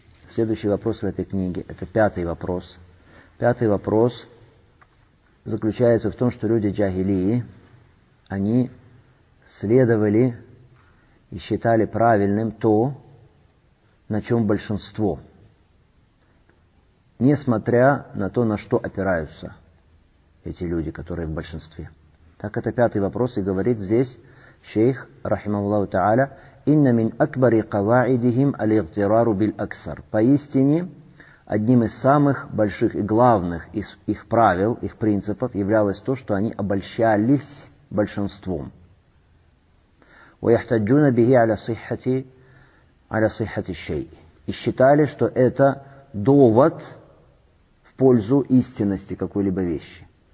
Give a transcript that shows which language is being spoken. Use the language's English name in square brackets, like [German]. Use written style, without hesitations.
[Russian] Следующий вопрос в этой книге. Это пятый вопрос. Пятый вопрос заключается в том, что люди джахилии, они следовали и считали правильным то, на чем большинство, несмотря на то, на что опираются эти люди, которые в большинстве. Так это пятый вопрос и говорит здесь [Arabic] شيخ رحمه الله تعالى: إن من أكبر قواعدهم الاغترار بالأكثر. [Russian] Поистине, одним из самых больших и главных из их правил, их принципов, являлось то, что они обольщались большинством. [Arabic] وَيَحْتَجُّونَ بِهِ عَلَى صِحَّةِ الشَّيْءِ. [Russian] И считали, что это довод в пользу истинности какой-либо вещи.